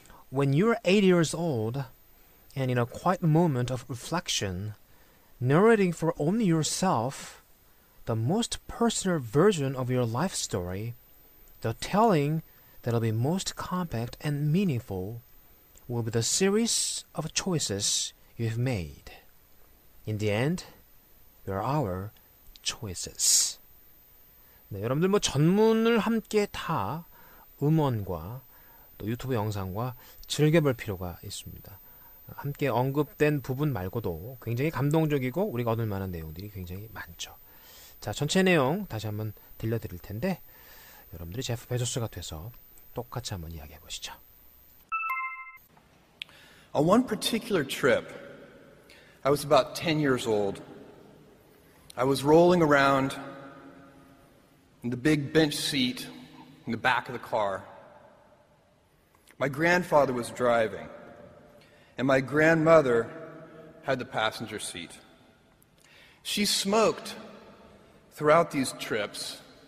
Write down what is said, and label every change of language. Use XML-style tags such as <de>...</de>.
<en>When you are 8 years old, and in a quiet moment of reflection, narrating for only yourself, the most personal version of your life story, the telling that will be most compact and meaningful, will be the series of choices you have made. In the end, you are our choices.</en> <ko>네, 여러분들 뭐 전문을 함께 다 음원과 또 유튜브 영상과 즐겨볼 필요가 있습니다. 함께 언급된 부분 말고도 굉장히 감동적이고 우리가 얻을 만한 내용들이 굉장히 많죠. 자, 전체 내용 다시 한번 들려드릴 텐데 여러분들이 제프 베조스가 돼서 똑같이 한번 이야기해 보시죠.</ko> <en>On one particular trip, I was about 10 years old. I was rolling around in the big bench seat in the back of the car. My grandfather was driving, and my grandmother had the passenger seat. She smoked throughout these trips,</en>